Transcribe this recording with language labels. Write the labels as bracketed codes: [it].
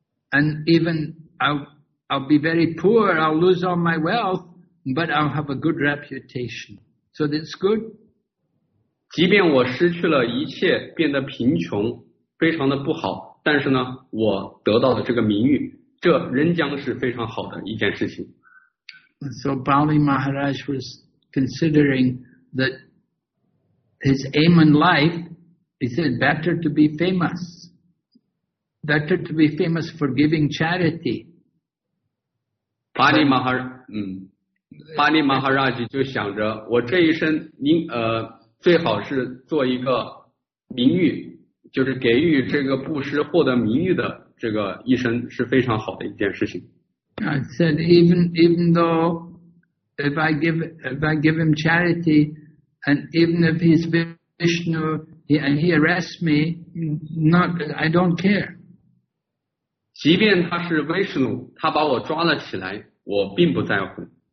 [en] And even I'll be very poor, I'll lose all my wealth, but I'll have a good reputation. So that's good. [zh] 即便我失去了一切，变得贫穷，非常的不好，但是呢，我得到了这个名誉，这仍将是非常好的一件事情。 [en] So Bali Maharaj was considering that his aim in life, he said, better to be famous. Better to be famous for giving charity. [zh] Bali Maharaj 就想着，我这一生最好是做一个名誉，就是给予这个布施获得名誉的这个一生是非常好的一件事情。 [en] I said even though if I give him charity, and even if he's Vishnu and he arrests me, I don't care. [zh] 即便他是 Vishnu， 他把我抓了起来，我并不在乎。